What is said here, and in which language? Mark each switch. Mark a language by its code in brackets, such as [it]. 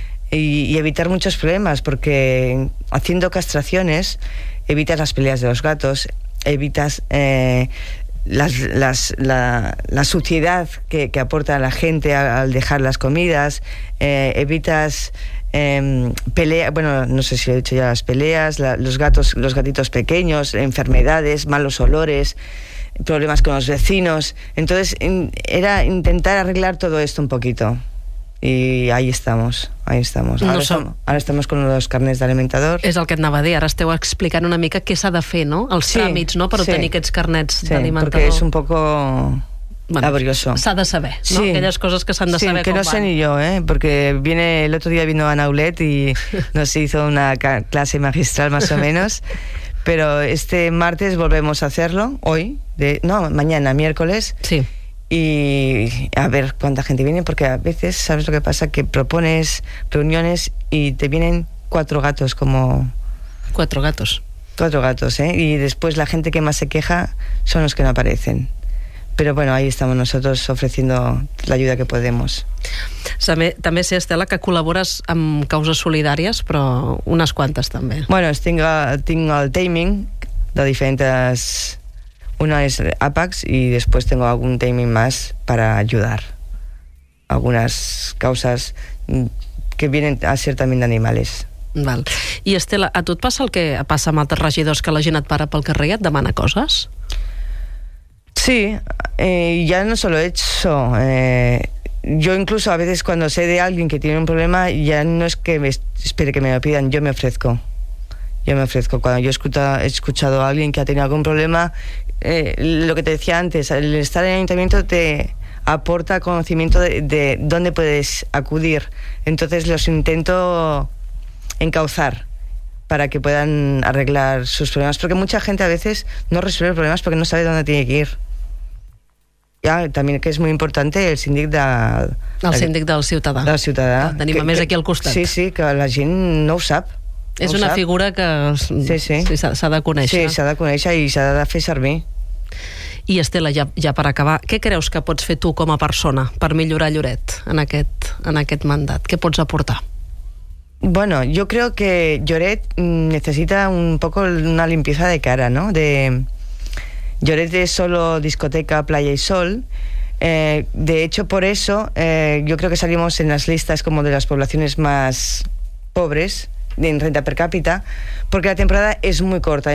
[es] y evitar muchos problemas, porque haciendo castraciones evitas las peleas de los gatos, evitas la suciedad que aporta la gente al dejar las comidas, evitas peleas, bueno, no sé si he dicho ya las peleas, los gatitos pequeños, enfermedades, malos olores, problemas con los vecinos. Entonces era intentar arreglar todo esto un poquito. Y ahí estamos. [ca] Ara [es] estamos con los carnets d'alimentador. [ca] És el que et anava a dir, ara esteu explicant una mica què s'ha de fer, no? Els tràmits, no? Per obtenir aquests carnets d'alimentador. Sí, perquè és [es] un poco laborioso. [ca] S'ha de saber, no? Sí. Aquelles coses que s'han de saber. [es] Sí, [ca] que no sé ni jo, perquè [es] el otro día vino Ana Ulet y nos hizo una clase magistral más o menos. Pero este martes volvemos a hacerlo, mañana, miércoles. Sí. Y a ver cuánta gente viene, porque a veces, ¿sabes lo que pasa? Que propones reuniones y te vienen cuatro gatos como... ¿Cuatro gatos? Cuatro gatos, ¿eh? Y después la gente que más se queja son los que no aparecen. Pero bueno, ahí estamos nosotros ofreciendo la ayuda que podemos. [ca] També sé, Estela, que col·labores amb causes solidàries, però unes quantes també. Bueno, tinc el taming de diferents... [es] Una es Apax y después tengo algún taming más para ayudar. Algunas causas que vienen a ser también de animales. [ca] Val. I Estela, a tu et passa el que passa amb altres regidors, que la gent et para pel carrer i et demana coses? [es] Sí, ya no solo eso. Yo incluso a veces cuando sé de alguien que tiene un problema, ya no es que espere que me lo pidan, yo me ofrezco. Cuando yo he escuchado a alguien que ha tenido algún problema, lo que te decía antes, el estar en el ayuntamiento te aporta conocimiento de dónde puedes acudir. Entonces los intento encauzar para que puedan arreglar sus problemas, porque mucha gente a veces no resuelve problemas porque no sabe dónde tiene que ir. Ya, también que es muy importante el síndic de... [ca] El síndic del ciutadà. Del ciutadà. Ah, tenim a més aquí al costat. Sí, sí, que la gent no ho sap. És una figura que s'ha de conèixer. Sí, s'ha de conèixer i s'ha de fer servir. I Estela, ja per acabar, què creus que pots fer tu com a persona per millorar Lloret en aquest mandat? Què pots aportar? [es] Bueno, yo creo que Lloret necesita un poco una limpieza de cara, ¿no? De Lloret es solo discoteca, playa y sol. De hecho, por eso yo creo que salimos en las listas como de las poblaciones más pobres en renta per cápita, porque la temporada es muy corta.